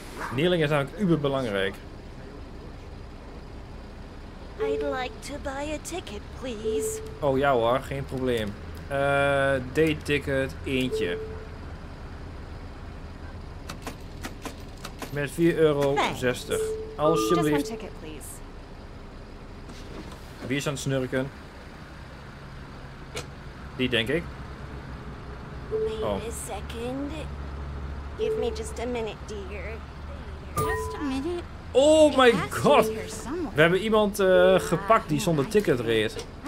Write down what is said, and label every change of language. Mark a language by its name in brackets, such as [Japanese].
[Dutch] Kneeling is eigenlijk uber belangrijk. [English] I'd like to buy a ticket, please. [Dutch] Oh ja hoor, geen probleem. Dayticket eentje. Met €4.60. Alsjeblieft. Wie is aan het snurken? Die denk ik. [English] Oh. Wait a second. Give me just a minute, dear. Just a minute. Oh my god. [Dutch] We hebben iemand gepakt die zonder ticket reed.